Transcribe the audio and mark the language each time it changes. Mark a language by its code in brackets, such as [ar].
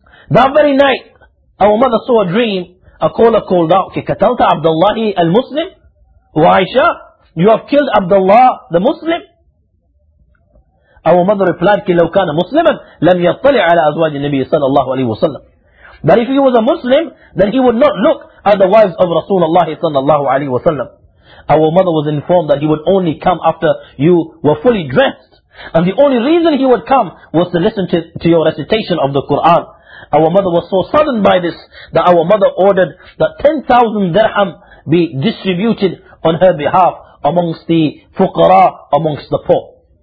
[en] That very night, our mother saw a dream. A caller called out, [ar] كَتَلْتَ عَبْدَاللَّهِ الْمُسْلِمِ وَعَيْشَةً. [en] You have killed Abdullah the Muslim. Our mother replied, [ar] كَلَوْ كَانَ مُسْلِمًا لَمْ يَطَلِعْ عَلَى أَزْوَاجِ النَّبِيِّ صَلَى اللَّهُ عَلَيْهِ وَسَلَّمْ. [en] That if he was a Muslim, then he would not look at the wives of Rasulullah sallallahu alayhi wa sallam. Our mother was informed that he would only come after you were fully dressed. And the only reason he would come was to listen to your recitation of the Quran. Our mother was so saddened by this that our mother ordered that 10,000 dirham be distributed on her behalf amongst the fuqara, amongst the poor.